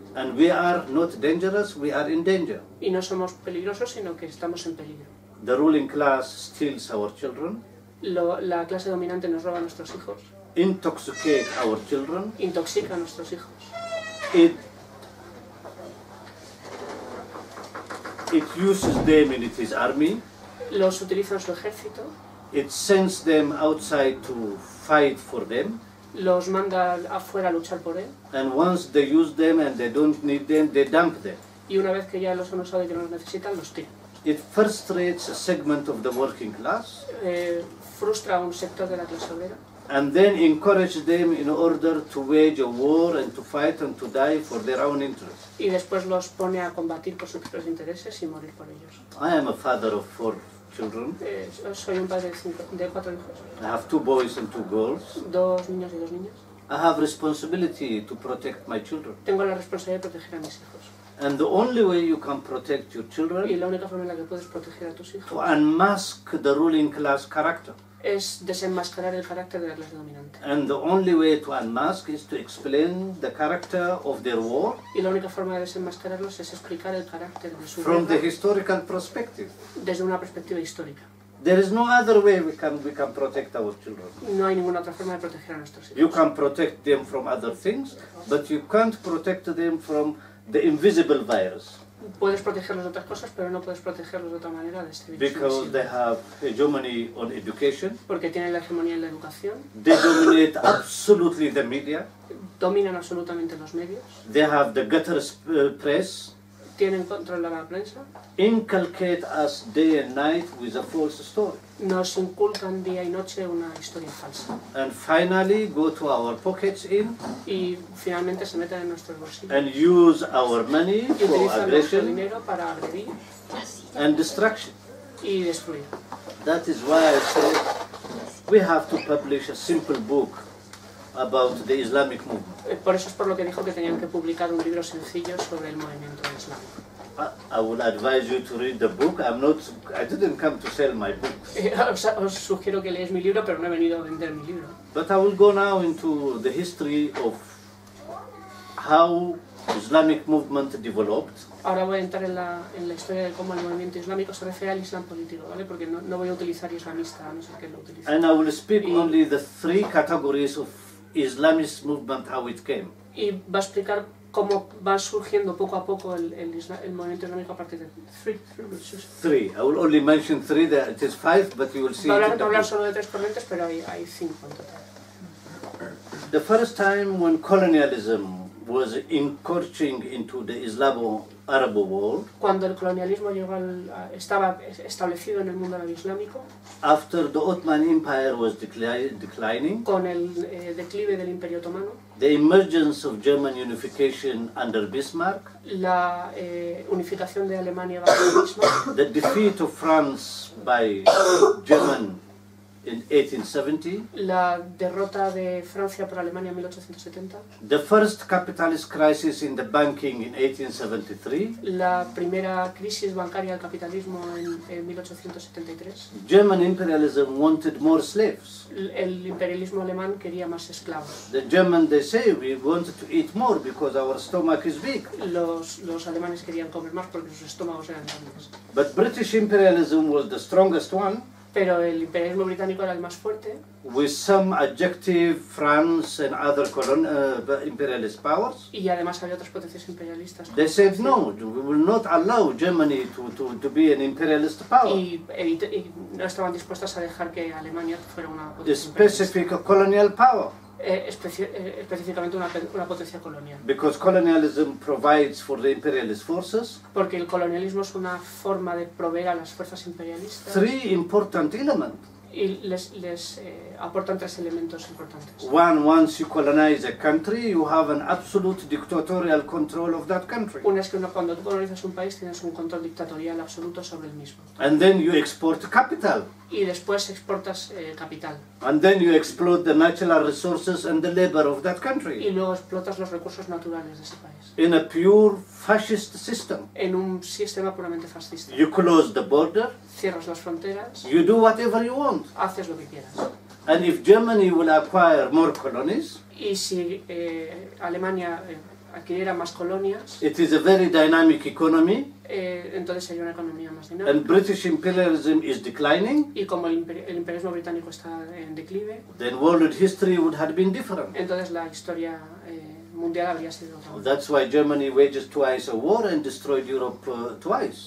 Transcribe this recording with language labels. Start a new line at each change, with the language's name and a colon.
English: And we are not dangerous, we are in danger.
Spanish: Y no somos peligrosos, sino que estamos en peligro.
English: The ruling class steals our children.
Spanish: La clase dominante nos roba a nuestros hijos.
English: Intoxicate our children.
Spanish: Intoxica a nuestros hijos.
English: It uses them in its army.
Spanish: Los utiliza en su ejército.
English: It sends them outside to fight for them.
Spanish: Los manda afuera a luchar por él.
English: And once they use them and they don't need them, they dump them.
Spanish: Y una vez que ya los han usado y que no los necesitan, los tiran.
English: It frustrates a segment of the working class.
Spanish: Frustra a un sector de la clase obrera.
English: And then encourage them in order to wage a war and to fight and to die for their own interests.
Spanish: Y después los pone a combatir por sus propios intereses y morir por ellos.
English: I am a father of four children.
Spanish: Soy un padre de cuatro hijos.
English: I have two boys and two girls.
Spanish: Dos niños y dos niñas.
English: I have responsibility to protect my children.
Spanish: Tengo la responsabilidad de proteger a mis hijos.
English: And the only way you can protect your children,
Spanish: y la única forma en la que puedes proteger a tus hijos,
English: to unmask the ruling class character,
Spanish: es desenmascarar el carácter de la clase dominante.
English: And the only way to unmask is to explain the character of their war.
Spanish: Y la única forma de desenmascararlos es explicar el carácter de su guerra.
English: From the historical perspective.
Spanish: Desde una perspectiva histórica.
English: There is no other way we can protect our children.
Spanish: No hay ninguna otra forma de proteger a nuestros hijos.
English: You can protect them from other things, but you can't protect them from the invisible virus.
Spanish: Puedes protegerlos de otras cosas, pero no puedes protegerlos de otra manera de este virus.
English: Because they have hegemony on education.
Spanish: Porque tienen la hegemonía en la educación.
English: They dominate absolutely the media.
Spanish: Dominan absolutamente los medios.
English: They have the gutter press.
Spanish: Tienen control de la prensa.
English: Inculcate us day and night with a false story.
Spanish: Nos inculcan día y noche una historia falsa.
English: And finally go to our pockets in.
Spanish: Y finalmente se meten en nuestros bolsillos.
English: And use our money for aggression.
Spanish: Y utilizan nuestro dinero para agredir.
English: And destruction.
Spanish: Y destruir.
English: That is why I say we have to publish a simple book about the Islamic movement.
Spanish: Por eso es por lo que dijo que tenían que publicar un libro sencillo sobre el movimiento islámico.
English: I would advise you to read the book. I didn't come to sell my book.
Spanish: Os sugiero que leáis mi libro, pero no he venido a vender mi libro.
English: But I will go now into the history of how Islamic movement developed.
Spanish: Ahora voy a entrar en la historia de cómo el movimiento islámico se refiere al Islam político, ¿vale? Porque no voy a utilizar islamista, no sé qué lo utilice.
English: And I will speak only the three categories of Islamist movement, how it came.
Spanish: Y va a explicar cómo va surgiendo poco a poco el movimiento islámico a partir de
English: three. I will only mention three. There it is five, but you will see.
Spanish: Va a hablar solo de tres corrientes, pero hay cinco en total.
English: The first time when colonialism was encroaching into the Islamo-Arab world.
Spanish: Cuando el colonialismo estaba establecido en el mundo árabe islámico.
English: After the Ottoman Empire was declining.
Spanish: Con el declive del Imperio Otomano.
English: The emergence of German unification under Bismarck.
Spanish: La unificación de Alemania bajo Bismarck.
English: The defeat of France by German in 1870.
Spanish: La derrota de Francia por Alemania en 1870.
English: The first capitalist crisis in the banking in 1873.
Spanish: La primera crisis bancaria del capitalismo en 1873.
English: German imperialism wanted more slaves.
Spanish: El imperialismo alemán quería más esclavos.
English: The German, they say, we wanted to eat more because our stomach is big.
Spanish: Los alemanes querían comer más porque sus estómagos eran grandes.
English: But British imperialism was the strongest one.
Spanish: Pero el imperialismo británico era el más fuerte.
English: With some adjective, France and other imperialist powers.
Spanish: Y además había otras potencias imperialistas.
English: They said no, we will not allow Germany to be an imperialist power.
Spanish: Y no estaban dispuestas a dejar que Alemania fuera una potencia.
English: Specific colonial power.
Spanish: Específicamente una potencia colonial.
English: Because colonialism provides for the imperialist forces.
Spanish: Porque el colonialismo es una forma de proveer a las fuerzas imperialistas.
English: Three important elements.
Spanish: Y les aportan tres elementos importantes.
English: One, once you colonize a country, you have an absolute dictatorial control of that country.
Spanish: Una es que cuando tú colonizas un país, tienes un control dictatorial absoluto sobre el mismo.
English: And then you export capital.
Spanish: Y después exportas capital.
English: And then you exploit the natural resources and the labor of that country.
Spanish: Y luego explotas los recursos naturales de ese país.
English: In a pure fascist system.
Spanish: En un sistema puramente fascista.
English: You close the border.
Spanish: Cierras las fronteras.
English: You do whatever you want.
Spanish: Haces lo que quieras.
English: And if Germany will acquire more colonies.
Spanish: Y si Alemania adquiriera más colonias.
English: It is a very dynamic economy.
Spanish: Entonces sería una economía más dinámica.
English: And British imperialism is declining.
Spanish: Y como el imperialismo británico está en declive.
English: Then world history would have been different.
Spanish: Entonces la historia mundial habría sido otra.
English: That's why Germany wages twice a war and destroyed Europe twice.